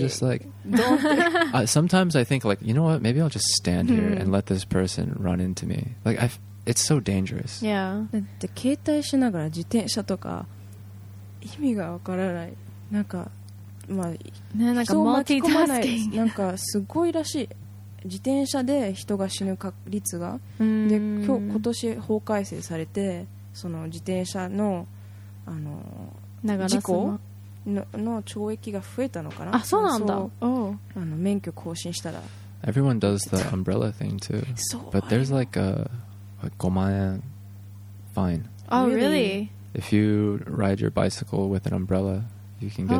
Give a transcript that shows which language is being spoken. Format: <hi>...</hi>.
<en>just like, sometimes I think like, you know what? Maybe I'll just stand here and let this person run into me. Like it's so dangerous. Yeah.</en> <ja>携帯しながら自転車とか意味がわからない。なんかまあ、ね、なんか人を巻き込まないなんかすごいらしい、自転車で人が死ぬ確率が、で今年法改正されて、その自転車 の, あの事故 の懲役が増えたのかな。あ、そうなんだ。あの免許更新したら</ja> <en>everyone does the umbrella thing too but there's like a 5,000円 fine. Oh really? If you ride your bicycle with an umbrella,You can get</en>